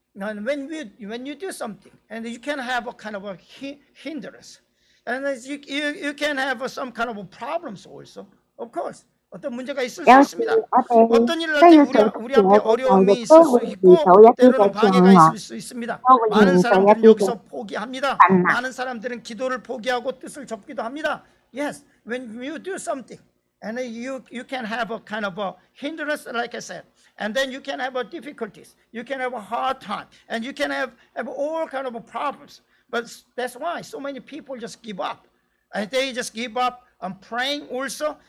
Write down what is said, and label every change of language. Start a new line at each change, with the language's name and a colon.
English: And when you do something, and you can have a kind of a hindrance, and you can have some kind of a problems also, of course.
Korean: 어떤 문제가 있을 수 있습니다. 어떤 일을 할 때 우리 앞에 어려움이 있을 수 있고 때로는 방해가 있을 수 있습니다. 많은 사람들은 여기서 포기합니다. 많은 사람들은 기도를 포기하고 뜻을 접기도 합니다.
English: Yes, when you do something, and you can have a kind of a hindrance, like I said. And then you can have a difficulties. You can have a hard time. And you can have all kind of problems. But that's why so many people just give up. And they just give up on praying also.